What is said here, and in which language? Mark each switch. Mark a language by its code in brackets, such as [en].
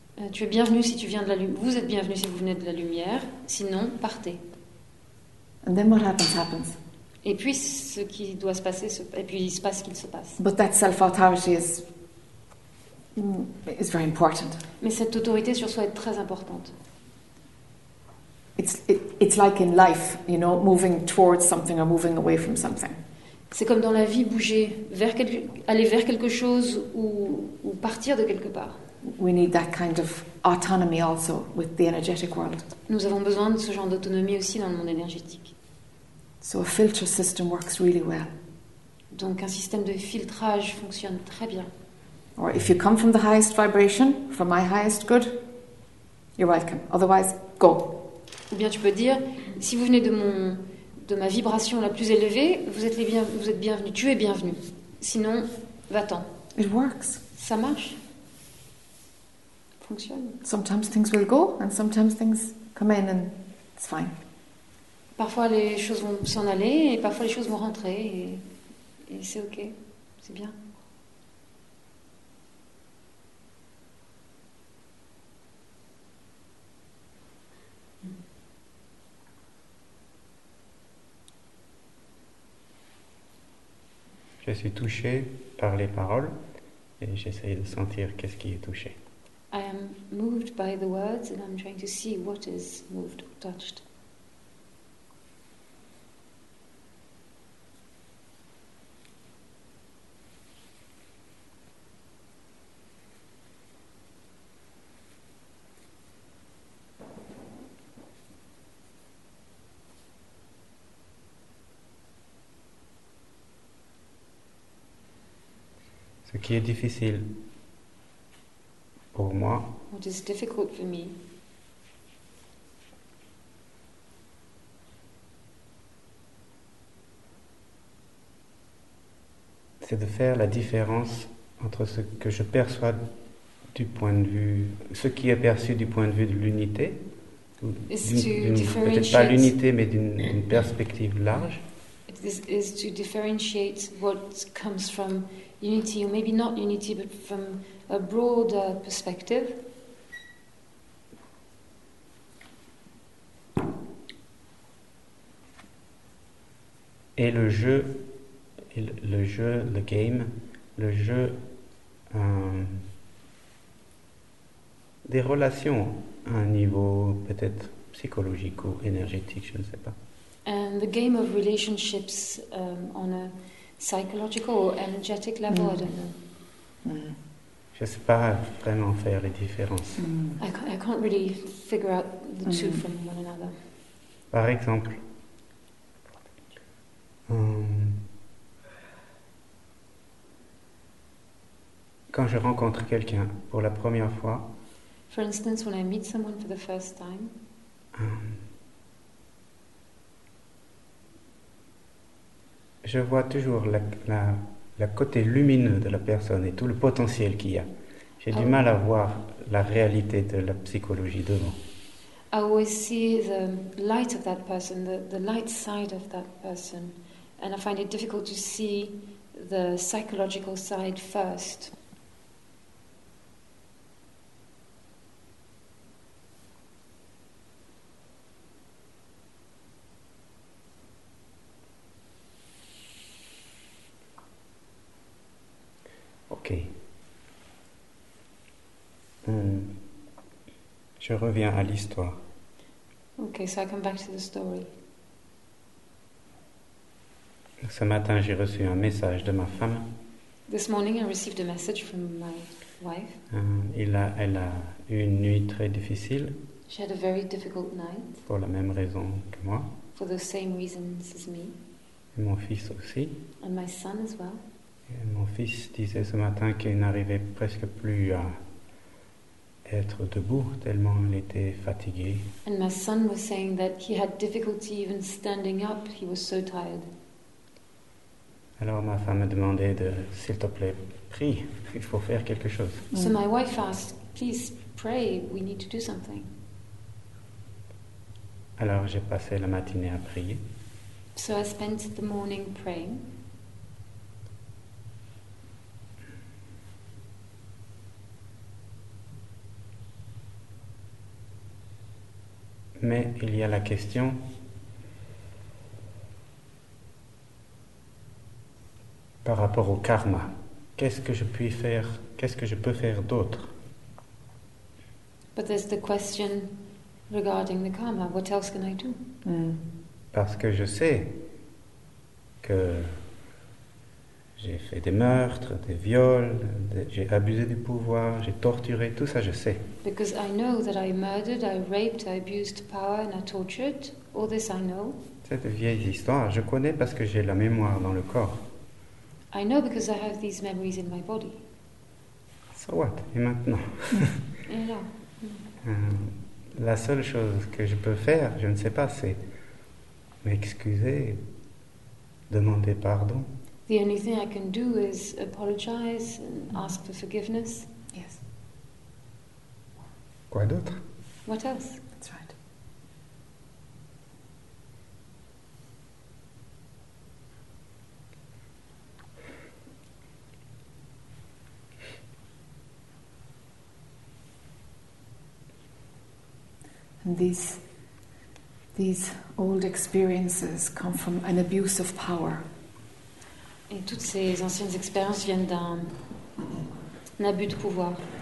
[fr] Tu es bienvenu si tu viens de la lumière. Vous êtes bienvenu si vous venez de la lumière. Sinon, partez. [en] And then what happens, happens. [fr] Et puis ce qui doit se passer, et puis il se passe ce qu'il se passe. [en] But that self-authority is very important. [fr] Mais cette autorité sur soi est très importante. [en] It's like in life, you know, moving towards something or moving away from something. [fr] C'est comme dans la vie, bouger vers aller vers quelque chose ou partir de quelque part. [en] We need that kind of autonomy also with the energetic world. [fr] Nous avons besoin de ce genre d'autonomie aussi dans le monde énergétique. [en] So a filter system works really well. [fr] Donc un système de filtrage fonctionne très bien. [en] Or if you come from the highest vibration, from my highest good, you're welcome. Otherwise, go. [fr] Ou bien tu peux dire, si vous venez de ma vibration la plus élevée, vous êtes bienvenue, tu es bienvenue. Sinon, va-t'en. [en] It works. [fr] Ça marche. [en] Sometimes things will go and sometimes things come in and it's fine. [fr] Parfois les choses vont s'en aller et parfois les choses vont rentrer et c'est ok, c'est bien. Je suis touchée par les paroles et j'essaie de sentir qu'est-ce qui est touché. [en] I am moved by the words and I'm trying to see what is moved or touched. [fr] Ce qui est difficile. Pour moi, [en] what is difficult for me? [fr] C'est de faire la différence entre ce que je perçois du point de vue, ce qui est perçu du point de vue de l'unité, peut-être pas l'unité, mais d'une perspective large. [en] This is to differentiate what comes from unity, or maybe not unity, but from a broader perspective. [fr] Et le jeu, [en] the game, [fr] le jeu des relations à un niveau peut-être psychologique ou énergétique, je ne sais pas. [en] And the game of relationships on a psychological or energetic level, I don't know. [fr] Je sais pas vraiment faire les différences. [en] I can't really figure out the two from one another. [fr] Par exemple, quand je rencontre quelqu'un pour la première fois, [en] for instance, when I meet someone for the first time, [fr] je vois toujours la côté lumineux de la personne et tout le potentiel qu'il y a. J'ai du mal à voir la réalité de la psychologie devant. [en] I always see the light of that person, the light side of that person, and I find it difficult to see the psychological side first. Okay. [fr] Je reviens à l'histoire. [en] Okay, so I come back to the story. [fr] Ce matin, j'ai reçu un message de ma femme. [en] This morning, I received a message from my wife. [fr] Elle a eu une nuit très difficile. [en] She had a very difficult night. [fr] Pour la même raison que moi. [en] For the same reasons as me. [fr] Et mon fils aussi. [en] And my son as well. [fr] Et mon fils disait ce matin qu'il n'arrivait presque plus à être debout tellement il était fatigué. [en] And my son was saying that he had difficulty even standing up. He was so tired. [fr] Alors ma femme a demandé de s'il te plaît prie, il faut faire quelque chose. [en] So my wife asked, please pray, we need to do something. [fr] Alors j'ai passé la matinée à prier. [en] So I spent the morning praying. [fr] Mais il y a la question. Par rapport au karma, qu'est-ce que je puis faire, qu'est-ce que je peux faire d'autre? [en] But there's the question regarding the karma, what else can I do? [fr] Parce que je sais que j'ai fait des meurtres, des viols, j'ai abusé du pouvoir, j'ai torturé, tout ça je sais. [en] Because I know that I murdered, I raped, I abused power and I tortured, all this I know. [fr] Cette vieille histoire, je connais parce que j'ai la mémoire dans le corps. [en] I know because I have these memories in my body. So what? [fr] Et maintenant? Et là. La seule chose que je peux faire, je ne sais pas, c'est m'excuser, demander pardon. [en] The only thing I can do is apologize and ask for forgiveness. Yes. [fr] Quoi d'autre? [en] What else? And these old experiences come from an abuse of power. [fr] Et toutes ces anciennes expériences viennent d'un abus de pouvoir.